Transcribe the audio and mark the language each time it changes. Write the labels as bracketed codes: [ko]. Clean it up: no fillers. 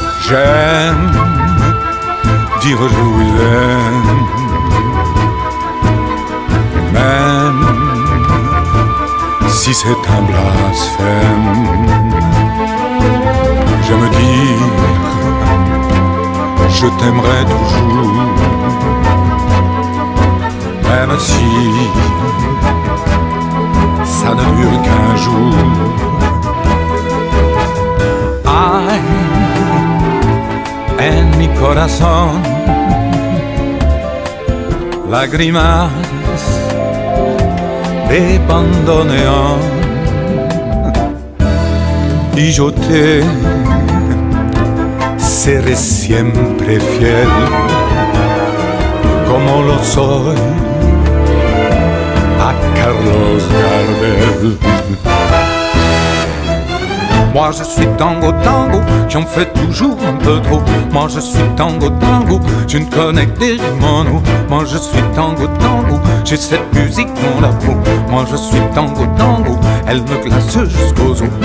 [fr] J'aime dire je vous aime, même si c'est un blasphème. J'aime dire je t'aimerai toujours, même si ça ne dure qu'un jour. [es] Ay, en mi corazón, lágrimas de bandoneón. Y yo te seré siempre fiel, como lo soy a Carlos Gardel. [fr] Moi je suis tango tango, j'en fais toujours un peu trop. Moi je suis tango tango, je ne connais que Rimano. Moi je suis tango tango, j'ai cette musique dans la peau. Moi je suis tango tango, elle me glace jusqu'aux os.